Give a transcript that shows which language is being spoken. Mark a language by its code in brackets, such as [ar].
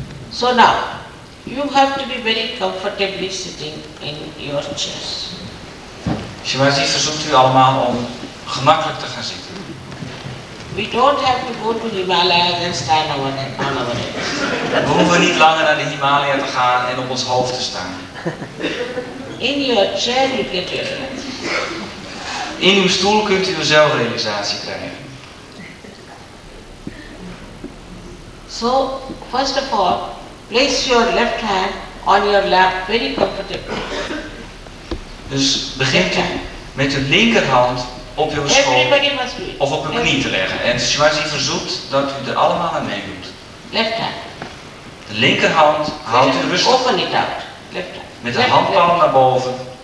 [en] So now, you have to be very comfortably sitting in your chairs. [nl] Shimaji verzoekt u allemaal om gemakkelijk te gaan zitten. [en] We don't have to go to Himalaya and stand on our head. [nl] We hoeven niet langer naar de Himalaya te gaan en op ons hoofd te staan. [en] In your chair you get your head. [nl] In uw stoel kunt u uw zelfrealisatie krijgen. [en] So, first of all, place your left hand on your lap very comfortably. [nl] Dus begint u met uw linkerhand op uw schoot of op uw knie te leggen. En Shimaji verzoekt dat u er allemaal aan meedoet. [en] Left hand. [nl] De linkerhand houdt u rustig. [en] Open it out. Left hand. [nl] Met de handpalm naar boven.